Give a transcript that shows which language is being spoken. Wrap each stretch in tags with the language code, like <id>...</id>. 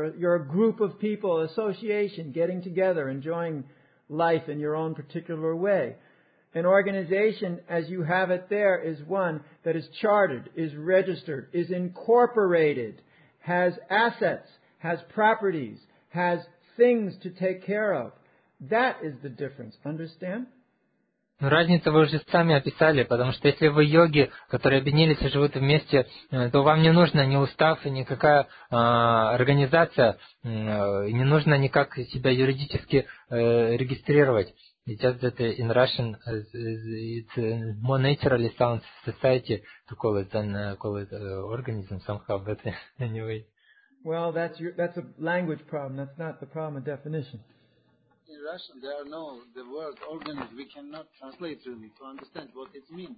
<en>You're a group of people, association, getting together, enjoying life in your own particular way. An organization, as you have it there, is one that is chartered, is registered, is incorporated, has assets, has properties, has things to take care of. That is the difference. Understand?</en> <ru>Но разницу вы уже сами описали, потому что если вы йоги, которые объединились и живут вместе, то вам не нужно ни устав, никакая организация, не нужно никак себя юридически регистрировать.</ru> <en>It's just that in Russian it's more naturally sounds society to call it than call it organism somehow, but anyway. Well, that's a language problem, that's not the problem of definition. In Russian, there are no, the word organism, we cannot translate really to understand what it means.</en>